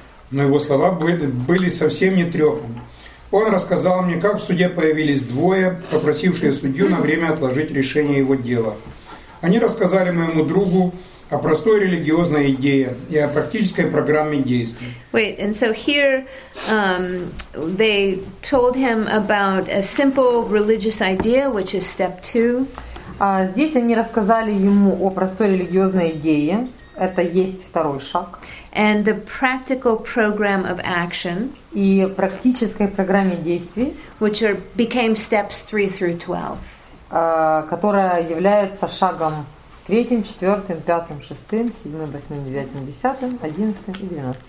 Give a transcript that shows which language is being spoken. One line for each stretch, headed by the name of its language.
Russian: Но его слова были совсем не трепом. Он рассказал мне, как в суде появились двое, попросившие судью на время отложить решение его дела. Они рассказали моему другу, о простой религиозной идее и о практической программе действий.
English: Wait, and so here they told him about a simple religious idea, which is step two.
Russian: Здесь они рассказали ему о простой религиозной идее. Это есть второй шаг.
English: And the practical program of action.
Russian: И практической программе действий.
English: Which are, became steps 3 through 12.
Russian: Которая является шагом 3, 4, 5, 6, 7, 8, 9, 10, 11 и 12.